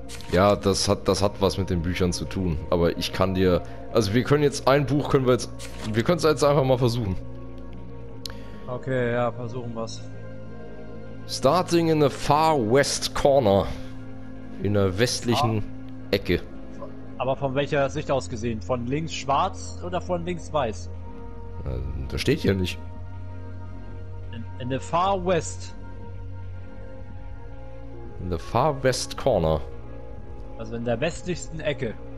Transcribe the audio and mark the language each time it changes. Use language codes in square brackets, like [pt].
[de] Ja, das hat was mit den Büchern zu tun. Aber ich kann dir... Also wir können jetzt ein Buch, können wir jetzt... Wir können es jetzt einfach mal versuchen. Okay, ja, versuchen wir's. [en] Starting in the far west corner. [de] In der westlichen Ecke. Aber von welcher Sicht aus gesehen? Von links schwarz oder von links weiß? Das steht hier nicht. [en] In the far west. In the far west corner. [de] Also in der westlichsten Ecke.